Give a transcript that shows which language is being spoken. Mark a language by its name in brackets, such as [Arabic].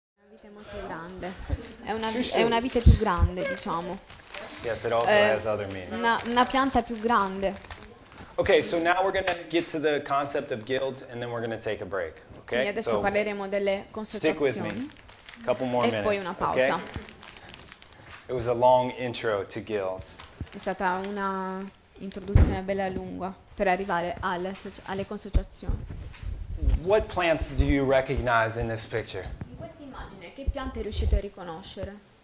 [Italian] vita è molto grande, è una vita più grande, diciamo. [English] Yes, it also has other meanings. [Italian] Una pianta più grande. [English] Okay, so now we're going to get to the concept of guilds and then we're going to take a break, okay? [Italian] Quindi adesso [English] so [Italian] parleremo delle consociazioni. [English] Stick with me. Couple more [Italian] e [English] minutes, [Italian] poi una pausa. Okay? [English] It was a long intro to guilds. [Italian] È stata una introduzione bella lunga per arrivare alle consociazioni. [English] What plants do you recognize in this picture? [Italian] In questa immagine, che piante riuscite a riconoscere?